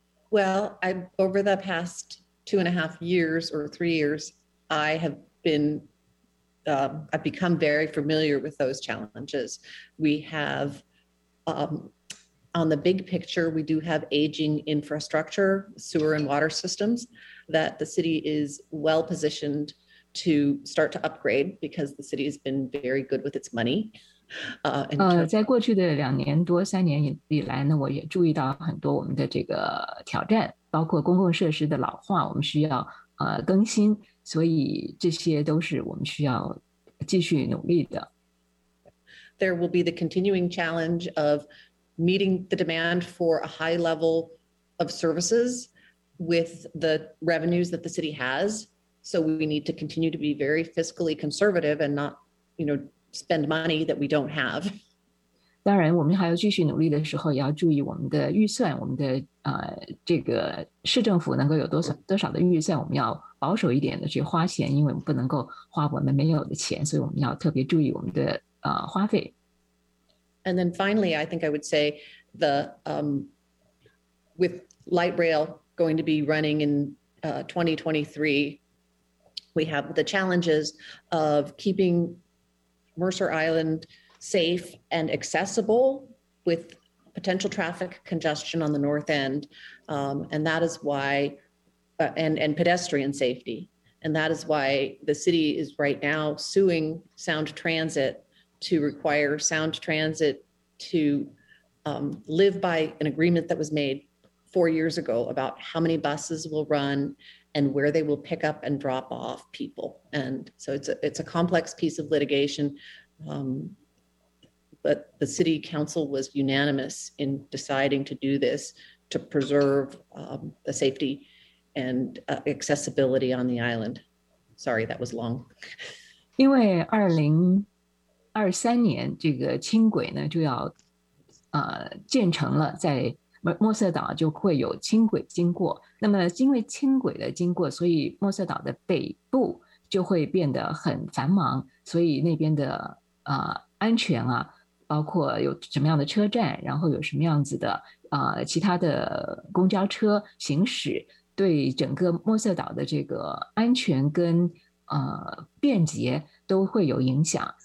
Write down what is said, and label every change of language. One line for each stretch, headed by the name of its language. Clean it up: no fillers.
English: Well, over the past 2.5 years or 3 years, I have been, I've become very familiar with those challenges. We have, on the big picture, we do have aging infrastructure, sewer and water systems that the city is well positioned to start to upgrade because the city has been very good with its money.
Chinese: 在过去的两年多三年以来呢，我也注意到很多我们的这个挑战，包括公共设施的老化，我们需要更新，所以这些都是我们需要继续努力的。
English: there will be the continuing challenge of meeting the demand for a high level of services with the revenues that the city has. So we need to continue to be very fiscally conservative and not, you know, spend money that we don't have.
Chinese: 当然我们还要继续努力的时候也要注意我们的预算，我们的这个市政府能够有多少的预算，我们要保守一点的去花钱，因为我们不能够花我们没有的钱，所以我们要特别注意我们的花费。
English: And then finally, I think I would say the with light rail going to be running in 2023, we have the challenges of keeping Mercer Island safe and accessible with potential traffic congestion on the north end. And that is why, and pedestrian safety. And that is why the city is right now suing Sound Transit to require Sound Transit to live by an agreement that was made 4 years ago about how many buses will run and where they will pick up and drop off people. And so it's a complex piece of litigation. But the city council was unanimous in deciding to do this to preserve the safety and accessibility on the island. Sorry, that was long.
Chinese: 因为2023年这个轻轨呢就要建成了，在墨色岛就会有轻轨经过。那么因为轻轨的经过，所以墨色岛的北部就会变得很繁忙，所以那边的安全啊，包括有什么样的车站，然后有什么样子的其他的公交车行驶，对整个墨色岛的这个安全跟便捷都会有影响。